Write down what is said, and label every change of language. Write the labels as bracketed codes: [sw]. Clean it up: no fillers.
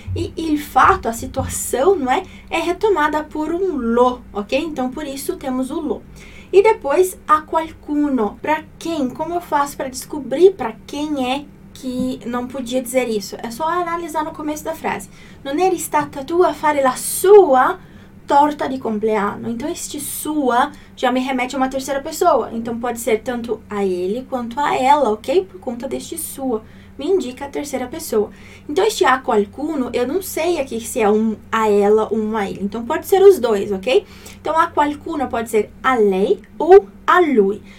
[pt] E il fato, a situação, não é? É retomada por um lo, ok? Então, por isso temos o lo. E depois, a qualcuno. Para quem? Como eu faço para descobrir para quem é que não podia dizer isso? É só analisar no começo da frase. [it] Non eri stata tu a fare la sua torta di compleanno. [pt] Então, este sua já me remete a uma terceira pessoa. Então, pode ser tanto a ele quanto a ela, ok? Por conta deste sua. Me indica a terceira pessoa. Então, este a qualcuno, eu não sei aqui se é um a ela ou um a ele. Então, pode ser os dois, ok? Então, a qualcuno pode ser [it] a lei [pt] ou [it] a lui.